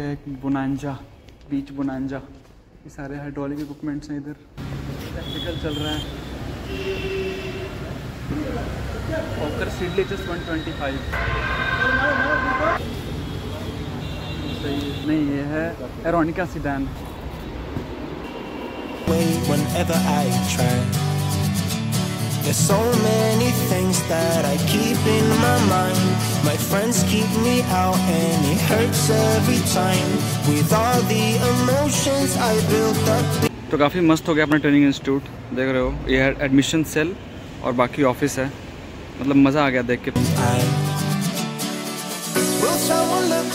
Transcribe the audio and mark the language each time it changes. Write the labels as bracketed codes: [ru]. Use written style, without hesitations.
[hi] ये बोनांजा बीच, बोनांजा, ये सारे हाइड्रोलिक इक्विपमेंट्स हैं, इधर प्रैक्टिकल चल रहा है। Walker Seedlages 125. सही नहीं, ये है Eronica sedan. [en] Whenever I try, there's so many things that I keep in my mind. My friends keep me out and it hurts every time. With all the emotions I built up. [hi] तो काफी मस्त हो गया अपना training institute, देख रहे हो, ये है एडमिशन सेल और बाकी ऑफिस है, मतलब मजा आ गया देख के।